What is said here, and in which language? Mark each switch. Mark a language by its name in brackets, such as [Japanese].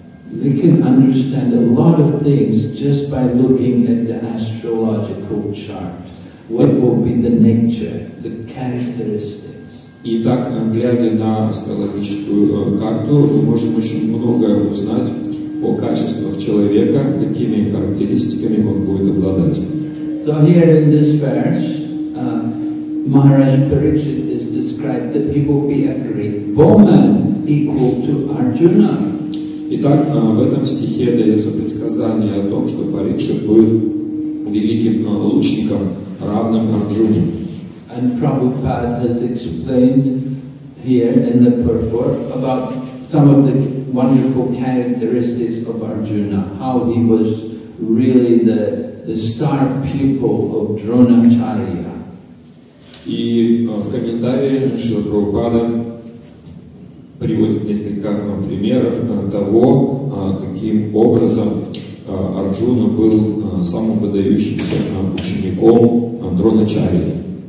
[English] We can understand a lot of things just by looking at the astrological chart. What will be the nature, the characteristics? [Russian] Итак, глядя на астрологическую карту, мы можем очень многое узнать о качествах человека, какими характеристиками он будет обладать. [English] So here in this verse, Maharaj Parikshit is described that he will be a great bowman equal to Arjuna. [Russian] Итак, в этом стихе дается предсказание о том, что Парикшит будет великим лучником, равным Арджуне. [English] And Prabhupada has explained here in the purport about some of the wonderful characteristics of Arjuna, how he was really the star pupil of Dronacharya. [Russian] И в комментарии Шрила Прабхупада приводит несколько примеров того, каким образом Арджуна был самым выдающимся учеником Дроначарьи.